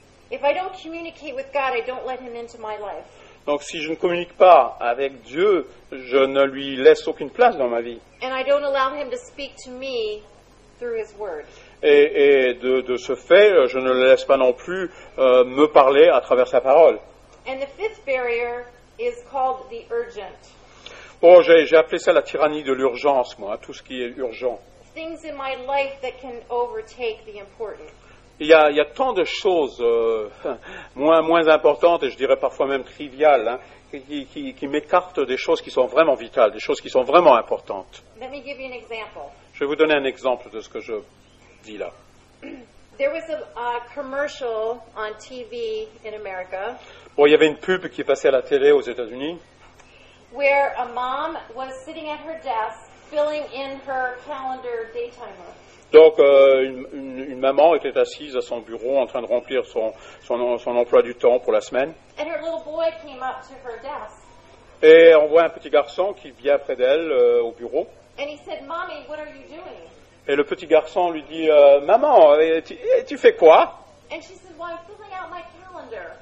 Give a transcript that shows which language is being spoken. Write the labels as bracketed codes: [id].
[en] If I don't communicate with God, I don't let Him into my life. [fr] Donc si je ne communique pas avec Dieu, je ne lui laisse aucune place dans ma vie. [en] And I don't allow Him to speak to me through His word. [fr] Et de ce fait, je ne le laisse pas non plus me parler à travers sa parole. [en] And the fifth barrier is called the urgent. [fr] Bon, j'ai appelé ça la tyrannie de l'urgence, moi, tout ce qui est urgent. [en] Things in my life that can overtake the important. [fr] Il y a tant de choses moins importantes, et je dirais parfois même triviales, qui m'écartent des choses qui sont vraiment vitales, des choses qui sont vraiment importantes. [en] Let me give you an example. [fr] Je vais vous donner un exemple de ce que je dis là. [en] There was a commercial on TV in America. [fr] Bon, il y avait une pub qui passait à la télé aux États-Unis. [en] Where a mom was sitting at her desk filling in her calendar day timer. [fr] Donc, une maman était assise à son bureau en train de remplir son emploi du temps pour la semaine. [en] And her little boy came up to her desk. [fr] Et on voit un petit garçon qui vient près d'elle au bureau. [en] And he said, "Mommy, what are you doing?" [fr] Et le petit garçon lui dit, « Maman, tu fais quoi ?» [en] And she said, "Well, I'm filling out my calendar."